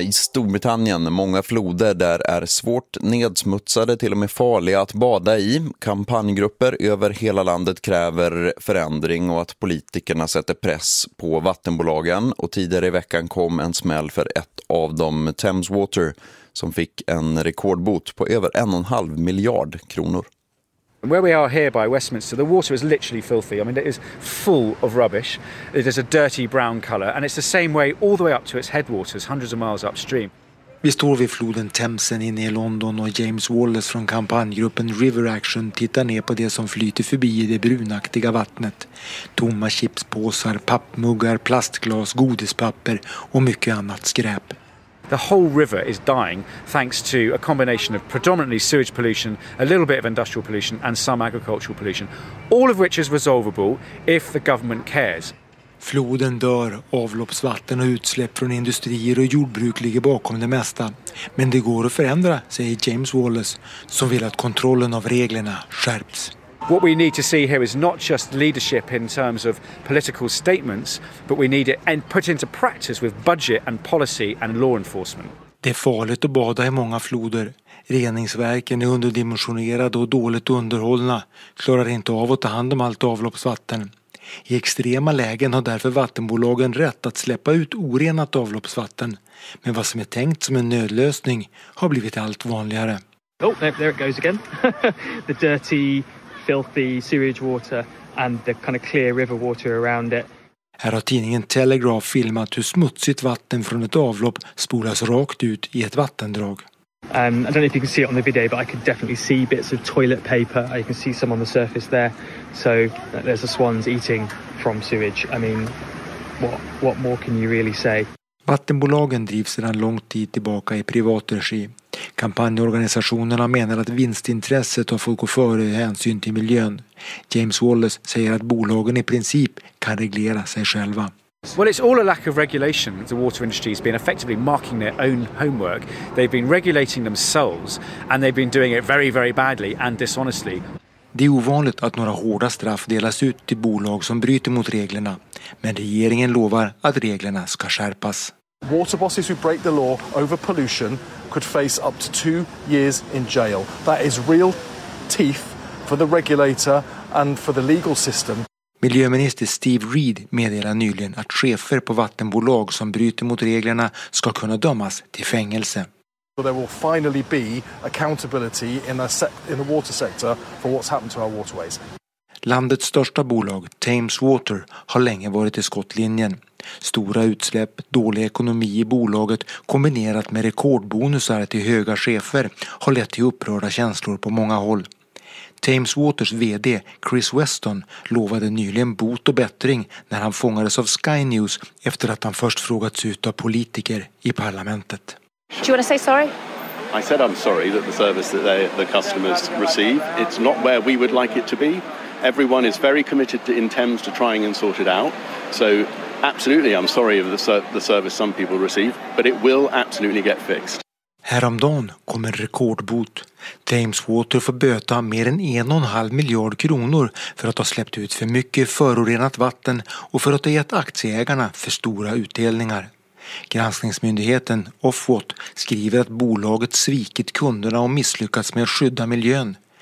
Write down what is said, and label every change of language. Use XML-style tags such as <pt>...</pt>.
<sv>I Storbritannien, många floder där är svårt nedsmutsade, till och med farliga att bada i. Kampanjgrupper över hela landet kräver förändring och att politikerna sätter press på vattenbolagen. Och tidigare i veckan kom en smäll för ett av dem, Thames Water, som fick en rekordbot på över 1,5 miljard kronor.</sv> <en>Where we are here by Westminster, the water is literally filthy. I mean, it is full of rubbish. It is a dirty brown colour, and it's the same way all the way up to its headwaters, hundreds of miles upstream.</en> <sv>Vi står vid floden Themsen inne i London och James Wallace från kampanjgruppen River Action tittar ner på det som flyter förbi i det brunaktiga vattnet. Tomma chipspåsar, pappmuggar, plastglas, godispapper och mycket annat skräp.</sv> <en>The whole river is dying thanks to a combination of predominantly sewage pollution, a little bit of industrial pollution and some agricultural pollution, all of which is resolvable if the government cares.</en> <sv>Floden dör, avloppsvatten och utsläpp från industrier och jordbruk ligger bakom det mesta. Men det går att förändra, säger James Wallace, som vill att kontrollen av reglerna skärps.</sv> <en>What we need to see here is not just leadership in terms of political statements, but we need it and put into practice with budget and policy and law enforcement.</en> <sv>Det är farligt att bada i många floder. Reningsverken är underdimensionerade och dåligt underhållna, klarar inte av att ta hand om allt avloppsvatten. I extrema lägen har därför vattenbolagen rätt att släppa ut orenat avloppsvatten, men vad som är tänkt som en nödlösning har blivit allt vanligare.</sv> <en>Oh, there it goes again. The dirty, filthy sewage water and the kind of clear river water around it.</en> <sv>Här har tidningen Telegraph filmat hur smutsigt vatten från ett avlopp spolas rakt ut i ett vattendrag.</sv> <en>I don't know if you can see it on the video, but I could definitely see bits of toilet paper. I can see some on the surface there. So there's the swans eating from sewage. I mean, what more can you really say?</en> <sv>Vattenbolagen drivs sedan lång tid tillbaka i privat regi. Kampanjorganisationerna menar att vinstintresset har fått gå före hänsyn till miljön. James Wallace säger att bolagen i princip kan reglera sig själva.</sv> <en>Well, it's all a lack of regulation. The water industry has been effectively marking their own homework. They've been regulating themselves and they've been doing it very, very badly and dishonestly.</en> <sv>Det är ovanligt att några hårda straff delas ut till bolag som bryter mot reglerna, men regeringen lovar att reglerna ska skärpas.</sv> <en>Water bosses who break the law over pollution could face up to 2 years in jail. That is real teeth for the regulator and for the legal system.</en> <sv>Miljöminister Steve Reed meddelade nyligen att chefer på vattenbolag som bryter mot reglerna ska kunna dömas till fängelse.</sv> <en>But there will finally be accountability in the water sector for what's happened to our waterways.</en> <sv>Landets största bolag, Thames Water, har länge varit i skottlinjen. Stora utsläpp, dålig ekonomi i bolaget kombinerat med rekordbonusar till höga chefer har lett till upprörda känslor på många håll. Thames Waters vd Chris Weston lovade nyligen bot och bättring när han fångades av Sky News efter att han först frågats ut av politiker i parlamentet.</sv> <en>Do you want to say sorry? I said I'm sorry that the service that the customers receive, it's not where we would like it to be. Everyone is very committed in Thames to trying and sort it out. So Absolutely, I'm sorry of the service some people receive, but it will absolutely get fixed.</en> <sv>Häromdagen kom en rekordbot. Thames Water får böta mer än 1,5 miljard kronor för att ha släppt ut för mycket förorenat vatten och för att ha gett aktieägarna för stora utdelningar. Granskningsmyndigheten Ofwat skriver att bolaget svikit kunderna och misslyckats med att skydda miljön.</sv>